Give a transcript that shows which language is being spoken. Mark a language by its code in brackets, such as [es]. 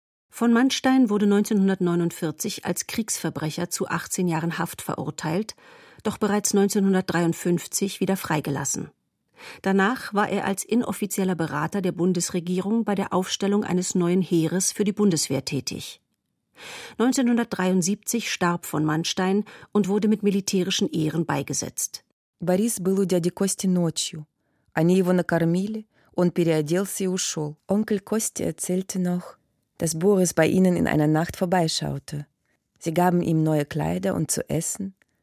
[de] Von Manstein wurde 1949 als Kriegsverbrecher zu 18 Jahren Haft verurteilt, doch bereits 1953 wieder freigelassen. Danach war er als inoffizieller Berater der Bundesregierung bei der Aufstellung eines neuen Heeres für die Bundeswehr tätig. 1973 starb von Manstein und wurde mit militärischen Ehren beigesetzt. [ru] Борис был у дяди Кости ночью. Они его накормили, он переоделся и ушел. [de] Onkel Kosti erzählte noch, dass Boris bei ihnen in einer Nacht vorbeischaute. Sie gaben ihm neue Kleider und zu essen.